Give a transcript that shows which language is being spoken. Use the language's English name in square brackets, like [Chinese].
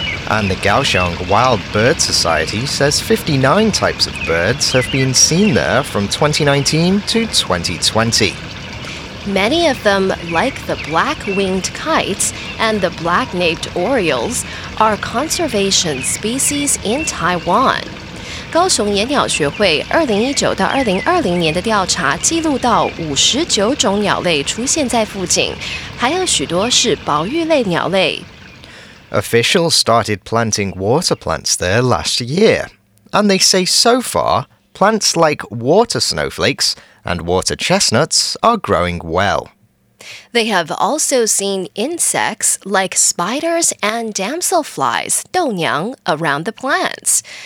[English] And the Kaohsiung Wild Bird Society says 59 types of birds have been seen there from 2019 to 2020. Many of them, like the black-winged kites and the black-naped orioles, are conservation species in Taiwan. [Chinese] 高雄野鸟学会2019-2020年的调查记录到59种鸟类出现在附近，还有许多是保育类鸟类。 [English] Officials started planting water plants there last year, and they say so far, plants like water snowflakes and water chestnuts are growing well. They have also seen insects like spiders and damselflies, [Chinese] 豆娘, [English] around the plants.